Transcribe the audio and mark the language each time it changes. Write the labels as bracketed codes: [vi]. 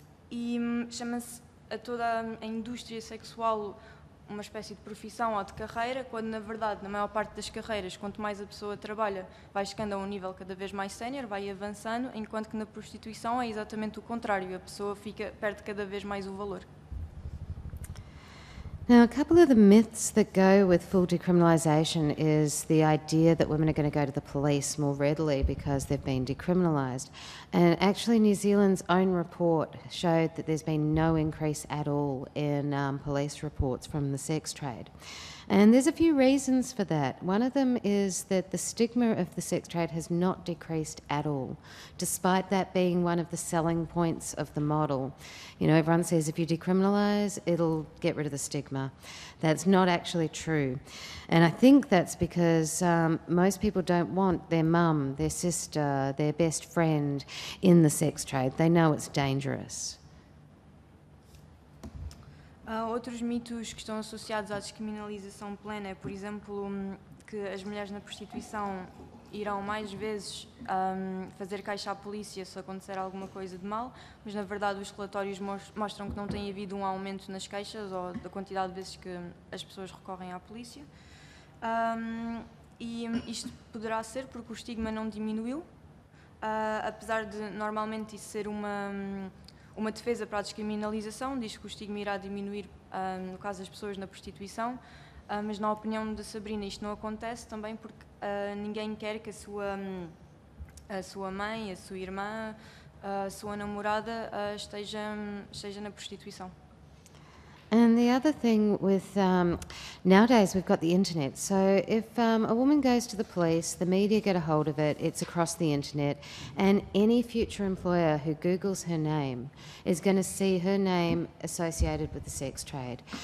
[pt] E chama-se a toda a indústria sexual uma espécie de profissão ou de carreira, quando na verdade, na maior parte das carreiras, quanto mais a pessoa trabalha, vai chegando a um nível cada vez mais sénior, vai avançando, enquanto que na prostituição é exatamente o contrário, a pessoa fica, perde cada vez mais o valor. [en] Now, a couple of the myths that go with full decriminalisation is the idea that women are going to go to the police more readily because they've been decriminalised. And actually, New Zealand's own report showed that there's been no increase at all in police reports from the sex trade. And there's a few reasons for that. One of them is that the stigma of the sex trade has not decreased at all, despite that being one of the selling points of the model. You know, everyone says if you decriminalise, it'll get rid of the stigma. That's not actually true. And I think that's because most people don't want their mum, their sister, their best friend in the sex trade. They know it's dangerous. [pt] Outros mitos que estão associados à descriminalização plena é, por exemplo, que as mulheres na prostituição irão mais vezes fazer queixa à polícia se acontecer alguma coisa de mal, mas na verdade os relatórios mostram que não tem havido um aumento nas queixas ou da quantidade de vezes que as pessoas recorrem à polícia. E isto poderá ser porque o estigma não diminuiu, apesar de normalmente isso ser uma defesa para a descriminalização, diz que o estigma irá diminuir no caso das pessoas na prostituição, mas na opinião da Sabrina isto não acontece também porque ninguém quer que a sua mãe, a sua irmã, a sua namorada esteja na prostituição. [en] And the other thing with nowadays we've got the internet. So if a woman goes to the police, the media get a hold of it, it's across the internet, and any future employer who Googles her name is going to see her name associated with the sex trade.